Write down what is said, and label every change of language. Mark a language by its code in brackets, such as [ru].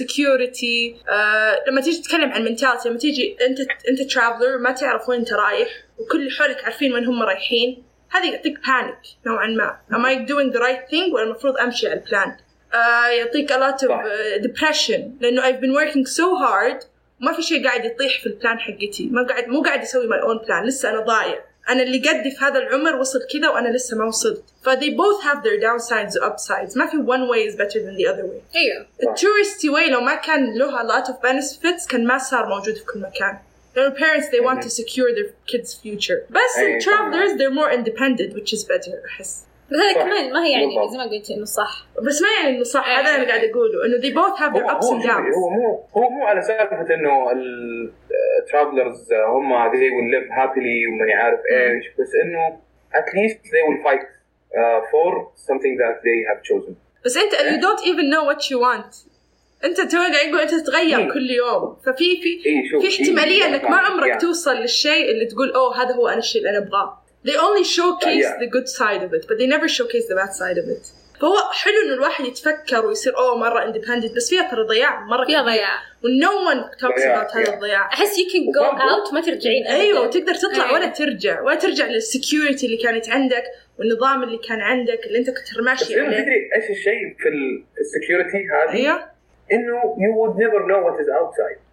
[ar] security, لما تيجي تتكلم عن mentality, لما تيجي أنت traveler ما تعرف وين أنت رايح وكل حولك عارفين وين هم رايحين هذه يعطيك panic نوعا ما. [en] Am I doing the right thing [ar] ولا المفروض أمشي على البلان؟ يعطيك [en] a lot of depression [ar] لأنه [en] I've been working so hard [ar] ما في شيء قاعد يطيح في البلان حقتي ما قاعد مو قاعد أسوي [en] my own plan [ar] لسه أنا ضايع أنا اللي قدي في هذا العمر وصل كذا وأنا لسه ما وصلت. ف [en] they both have their downsides and upsides. [ar] ما في [en] one way is better than the other way. [ar] أيوه. [en] The touristy way [ar] لو ما كان له [en] a lot of benefits [ar] كان ما صار موجود في كل مكان. [en] Their parents they want to secure their kids' future. [ar] بس [en] the travelers they're more independent which is better [ar] أحس. بس هذا كمان ما هي يعني زي ما قلت إنه صح. بس ما يعني إنه صح هذا أنا قاعد أقوله إنه [en] they both have their ups and downs. [ar] هو مو على سالفة إنه ال [en] travelers [ar] هم [en] they will live happily [ar] وما يعرف إيش بس إنه [en] at least they will fight for something that they have chosen. [ar] بس أنت [en] you don't even know what you want. [ar] أنت توقع يقول أنت تتغير كل يوم ففي احتمالية إنك ما عمرك توصل للشيء اللي تقول أوه هذا هو أنا الشيء اللي أنا أبغاه. [en] They only showcase the good side of it, but they never showcase the bad side of it. [ar] فهو حلو إن الواحد يتفكر ويصير أوه مرة independent بس فيها ترى ضياع مرة فيها ضياع. [en] And no one talks about [ar] هذا الضياع. أحس [en] you can go out [ar] ما ترجعين. أيوة تقدر تطلع ولا ترجع ولا ترجع للsecurity اللي كانت عندك والنظام اللي كان عندك اللي أنت كنت ماشي عليه. بس أنت تدري إيش الشيء في السecurity هذه؟ إنه [en] you would never know what is outside.